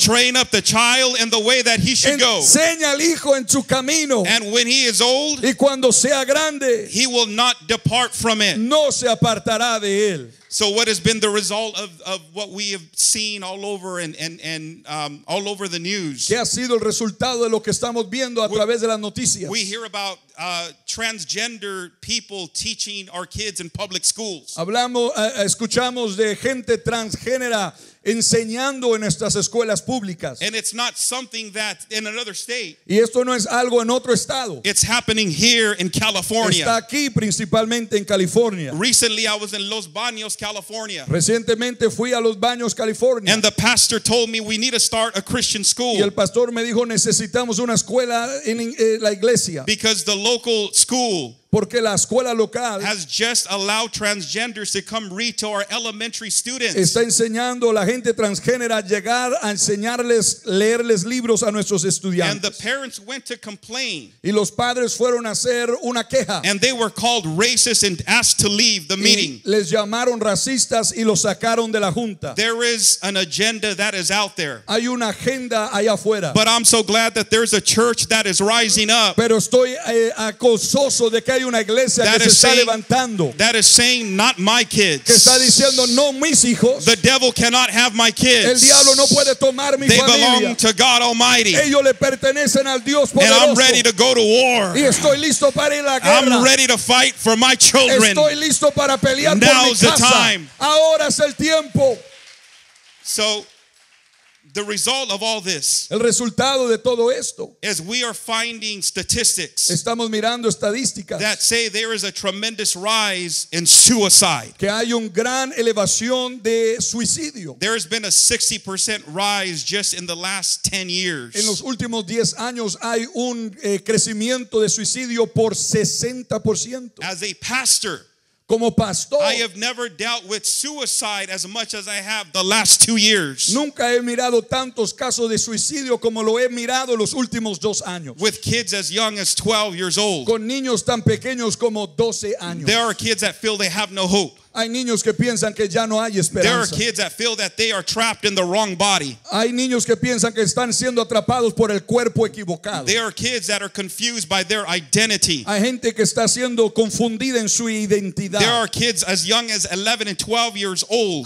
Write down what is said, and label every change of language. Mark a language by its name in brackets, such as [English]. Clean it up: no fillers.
[English] Train up the child in the way that he should go, [Spanish] enseña al hijo en su camino, [English] and when he is old, [Spanish] y cuando sea grande, [English] he will not depart from it, [Spanish] no se apartará de él. [English] So what has been the result of what we have seen all over and all over the news? [Spanish] ¿Qué ha sido el resultado de lo que estamos viendo a través de las noticias? [English] We hear about transgender people teaching our kids in public schools. [Spanish] Hablamos, escuchamos de gente transgénera enseñando en nuestras escuelas públicas. [English] And it's not something that in another state. [Spanish] Y esto no es algo en otro estado. [English] It's happening here in California. [Spanish] Está aquí principalmente en California. [English] Recently I was in Los Baños, California. [Spanish] Recientemente fui a Los Baños, California. [English] And the pastor told me we need to start a Christian school. [Spanish] Y el pastor me dijo necesitamos una escuela en la iglesia. [English] Because the local school, [Spanish] porque la escuela local, [English] has just allowed transgenders to come read to our elementary students. [Spanish] Está enseñando a la gente transgénera llegar a enseñarles, leerles libros a nuestros estudiantes. [English] And the parents went to complain. [Spanish] Y los padres fueron a hacer una queja. [English] And they were called racist and asked to leave the meeting. [Spanish] Y les llamaron racistas y los sacaron de la junta. [English] There is an agenda that is out there. [Spanish] Hay una agenda allá afuera. [English] But I'm so glad that there's a church that is rising up. [Spanish] Pero estoy acososo de que hay una iglesia [English] that [Spanish] que se está levantando. [English] That is saying not my kids. [Spanish] Que está diciendo no mis hijos. [English] The devil cannot have my kids. [Spanish] El diablo no puede tomar mi [English] they [Spanish] familia. [English] Belong to God Almighty. [Spanish] Ellos le pertenecen al Dios poderoso. [English] And I'm ready to go to war. [Spanish] Y estoy listo para ir a la guerra. [English] I'm ready to fight for my children. [Spanish] Estoy listo para pelear por mi casa. [English] Now's the time. [Spanish] Ahora es el tiempo. [English] So the result of all this, [Spanish] el resultado de todo esto, [English] is we are finding statistics, [Spanish] estamos mirando estadísticas, [English] that say there is a tremendous rise in suicide, [Spanish] que hay un gran elevación de suicidio. [English] There has been a 60% rise just in the last 10 years. [Spanish] En los últimos 10 años hay un crecimiento de suicidio por 60%. [English] As a pastor, [Spanish] como pastor, [English] I have never dealt with suicide as much as I have the last 2 years. [Spanish] Nunca he mirado tantos casos de suicidio como lo he mirado los últimos dos años. [English] With kids as young as 12 years old. [Spanish] Con niños tan pequeños como 12 años. [English] There are kids that feel they have no hope. [Spanish] Hay niños que piensan que ya no hay esperanza. [English] There are kids that feel that they are trapped in the wrong body. [Spanish] Hay niños que piensan que están siendo atrapados por el cuerpo equivocado. [English] There are kids that are confused by their identity. [Spanish] Hay gente que está siendo confundida en su identidad. [English] There are kids as young as 11 and 12 years old.